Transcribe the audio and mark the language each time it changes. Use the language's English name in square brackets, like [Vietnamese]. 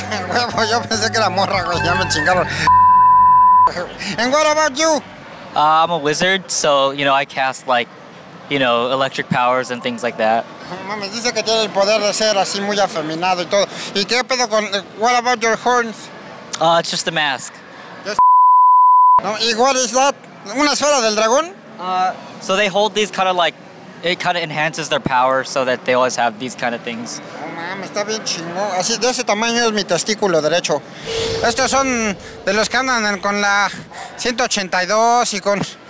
[Spanish] Huevo, yo pensé que era morra, güey, ya me chingaron. [English] And what about you? I'm a wizard, so, you know, I cast, like, you know, electric powers and things like that. [Spanish] Mami, dice que tiene el poder de ser así muy afeminado y todo. ¿Y qué pedo con... [English] What about your horns? It's just a mask. [Spanish] No, ¿y [English] what is that? [Spanish] ¿Una esfera del dragón? [English] So they hold these kind of, like... It kind of enhances their power so that they always have these kind of things. [Spanish] No mames, está bien chingón. Así, de ese tamaño es mi testículo derecho. Estos son de los que andan con la 182 y con...